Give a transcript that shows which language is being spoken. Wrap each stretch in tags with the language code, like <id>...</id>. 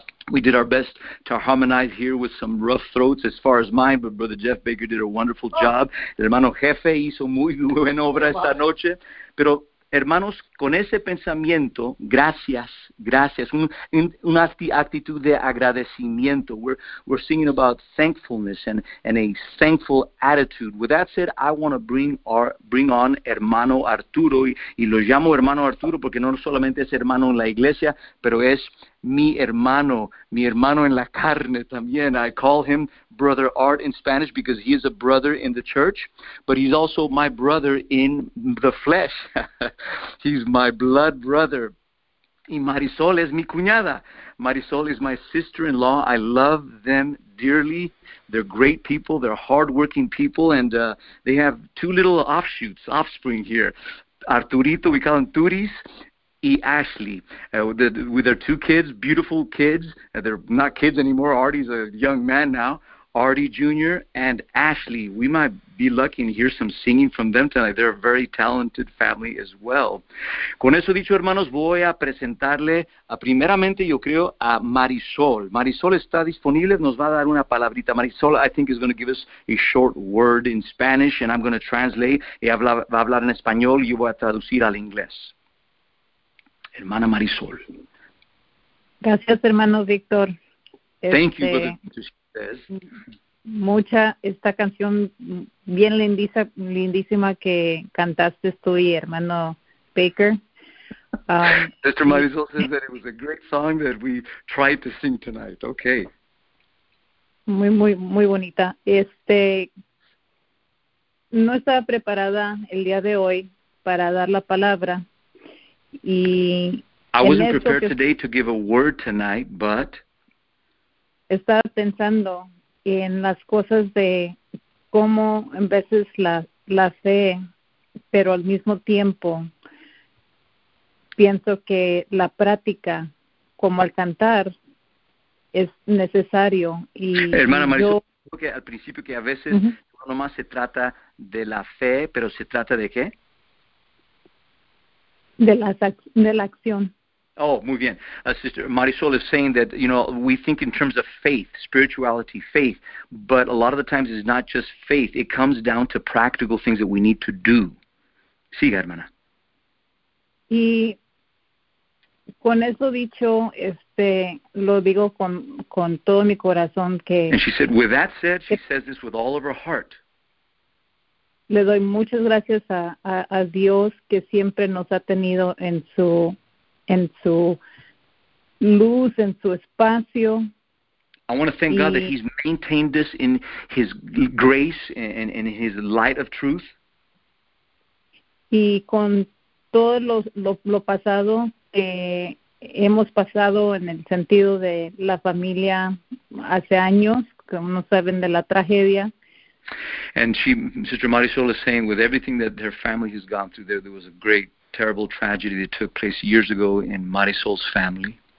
<en>We did our best to harmonize here with some rough throats as far as mine, but Brother Jeff Baker did a wonderful job.</en> <es>El hermano Jefe hizo muy buena obra esta noche. Pero, hermanos, con ese pensamiento, gracias, gracias. Una actitud de agradecimiento.</es> <en>We're singing about thankfulness and a thankful attitude. With that said, I want to bring on hermano Arturo.</en> <es>Y lo llamo hermano Arturo porque no solamente es hermano en la iglesia, pero es mi hermano en la carne también.</es> <en>I call him Brother Art in Spanish because he is a brother in the church, but he's also my brother in the flesh. He's my blood brother.</en> <es>Y Marisol es mi cuñada.</es> <en>Marisol is my sister-in-law. I love them dearly. They're great people. They're hardworking people, and they have two little offspring here. Arturito, we call them Turis. E. Ashley, with their two kids, beautiful kids. They're not kids anymore. Artie's a young man now. Artie Jr. and Ashley. We might be lucky and hear some singing from them tonight. They're a very talented family as well.</en> <es>Con eso dicho, hermanos, voy a presentarle, primeramente, yo creo, a Marisol. Marisol está disponible. Nos va a dar una palabrita.</es> <en>Marisol, I think, is going to give us a short word in Spanish, and I'm going to translate.</en> <es>Va a hablar en español y yo voy a traducir al inglés. Hermana Marisol. Gracias, hermano Víctor.</es> <en>Thank you, brother.</en> <es>Mucha esta canción bien lindiza, lindísima que cantaste tú y hermano Baker.</es> <en>Sister Marisol says that it was a great song that we tried to sing tonight. Okay.</en> <es>Muy, muy, muy bonita. No estaba preparada el día de hoy para dar la palabra.</es> <en>I wasn't prepared today to give a word tonight, but</en> <es>estaba pensando en las cosas de cómo en veces la fe, pero al mismo tiempo pienso que la práctica, como al cantar, es necesario. Y hermana Marisol, yo creo que al principio que a veces no más se trata de la fe, pero se trata de qué. De la acción. Oh, muy bien.</es> <en>Sister Marisol is saying that, you know, we think in terms of faith, spirituality, faith, but a lot of the times it's not just faith. It comes down to practical things that we need to do.</en> <es>Siga, hermana. Y con eso dicho, lo digo con todo mi corazón que.</es> <en>And she said, with that said, she says this with all of her heart.</en> <es>Le doy muchas gracias a Dios que siempre nos ha tenido en su luz, en su espacio.</es> <en>I want to thank God that He's maintained us in His grace and in His light of truth.</en> <es>Y con todo lo pasado que hemos pasado en el sentido de la familia hace años, como no saben de la tragedia.</es> <en>And she, Sister Marisol, is saying with everything that her family has gone through, there was a great, terrible tragedy that took place years ago in Marisol's family.</en>